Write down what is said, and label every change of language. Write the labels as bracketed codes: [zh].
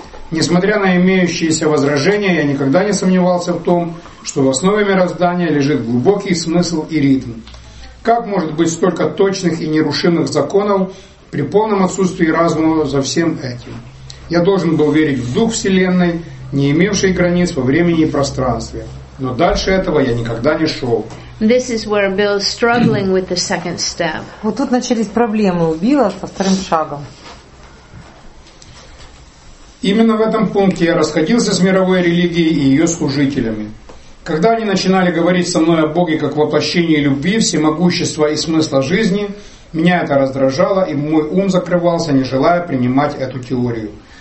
[ru] Несмотря на имеющиеся возражения, я никогда не сомневался в том, что в основе мироздания лежит глубокий смысл и ритм. Как может быть столько точных и нерушимых законов при полном отсутствии разума за всем этим? Я должен был верить в дух Вселенной, не имевший границ во времени и пространстве. Но дальше этого я никогда не шел. [en] This is where Bill's struggling with the second step. [ru] Вот тут начались проблемы у Билла со вторым шагом. Именно в этом пункте я расходился с мировой религией и ее служителями. Когда они начинали говорить со мной о Боге как воплощении любви, всемогущества и смысла жизни, меня это раздражало, и мой ум закрывался, не желая принимать эту теорию.